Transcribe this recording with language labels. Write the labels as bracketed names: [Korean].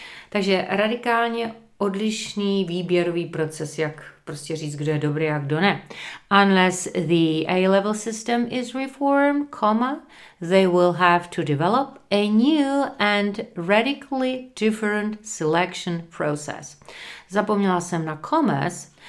[Czech] Takže radikálně odlišný výběrový proces, jak prostě říct, kdo je dobrý a kdo ne. [English] Unless the A-level system is reformed, comma, they will have to develop a new and radically different selection process. [Czech] Zapomněla jsem na commas.